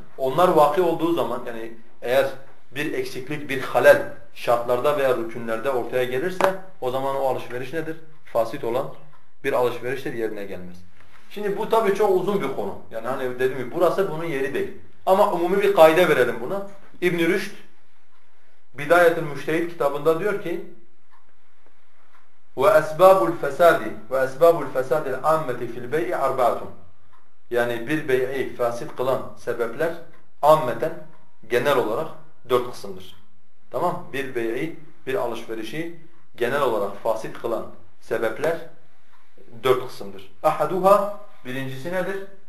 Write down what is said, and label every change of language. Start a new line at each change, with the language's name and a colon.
Turkish: Onlar vaki olduğu zaman yani eğer bir eksiklik, bir halel şartlarda veya rükünlerde ortaya gelirse o zaman o alışveriş nedir? Fasit olan bir alışveriştir, yerine gelmez. Şimdi bu tabii çok uzun bir konu. Yani hani dedim ki burası bunun yeri değil. Ama umumi bir kaide verelim buna. İbn-i Rüşd Bidayetül Müştehid kitabında diyor ki
Arabic: وَاَسْبَابُ الْفَسَادِ وَاَسْبَابُ الْفَسَادِ الْعَامَّةِ فِي الْبَيْءِ اَرْبَعَةٌ.
Turkish: Yani bir bey'i fasit kılan sebepler ammeten genel olarak dört kısımdır. Tamam? Bir bey'i, bir alışverişi genel olarak fasit kılan sebepler dört kısımdır. اَحَدُهَا birincisi nedir?